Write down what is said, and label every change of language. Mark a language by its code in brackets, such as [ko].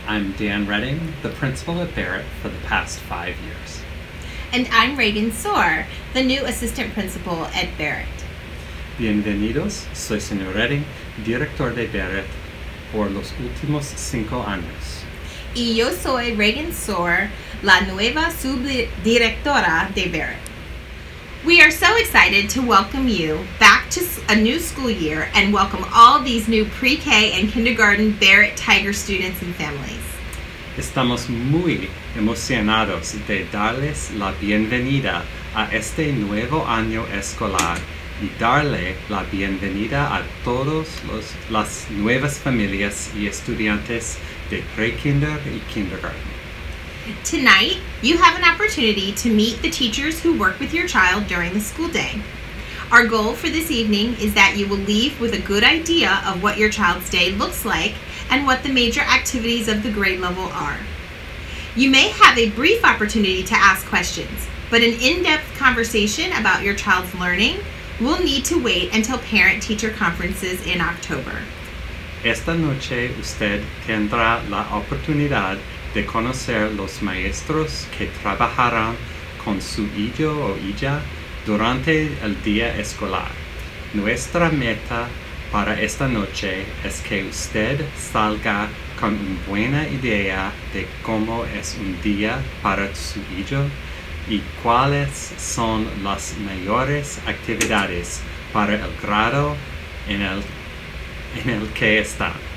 [en] I'm Dan Redding, the principal at Barrett for the past 5 years. And I'm Reagan Soar, the new assistant principal at Barrett. [es] Bienvenidos, soy señor Redding, director de Barrett por los últimos 5 años. Y yo soy Reagan Soar, la nueva subdirectora de Barrett. [en] We are so excited to welcome you back to a new school year and welcome all these new pre-K and kindergarten Barrett Tiger students and families. [es] Estamos muy emocionados de darles la bienvenida a este nuevo año escolar y darle la bienvenida a todos las nuevas familias y estudiantes de pre-kinder y kindergarten. [en] Tonight, you have an opportunity to meet the teachers who work with your child during the school day. Our goal for this evening is that you will leave with a good idea of what your child's day looks like and what the major activities of the grade level are. You may have a brief opportunity to ask questions, but an in-depth conversation about your child's learning will need to wait until parent-teacher conferences in October. [es] Esta noche usted tendrá la oportunidad de conocer los maestros que trabajarán con su hijo o hija durante el día escolar. Nuestra meta para esta noche es que usted salga con una buena idea de cómo es un día para su hijo y cuáles son las mayores actividades para el grado en el que está.